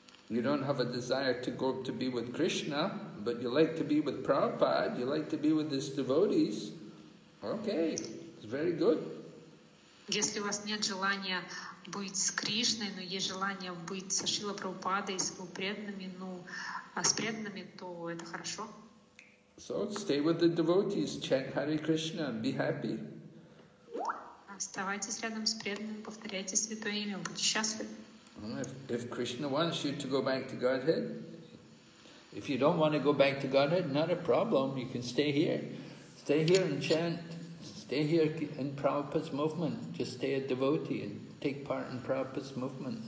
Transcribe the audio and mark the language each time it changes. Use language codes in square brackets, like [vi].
[en] You don't have a desire to go up to be with Krishna, but you like to be with Prabhupada, you like to be with his devotees. Okay, it's very good. [ru] Если у вас нет желания быть с Кришной, но есть желание быть со Шрила Прабхупадой, с преданными, то это хорошо. [en] So stay with the devotees, chant Hare Krishna, and be happy. [ru] Оставайтесь рядом с преданными, повторяйте святое имя, будьте счастливы. [en] If Krishna wants you to go back to Godhead, if you don't want to go back to Godhead, not a problem. You can stay here. Stay here and chant. Stay here in Prabhupada's movement. Just stay a devotee and take part in Prabhupada's movement.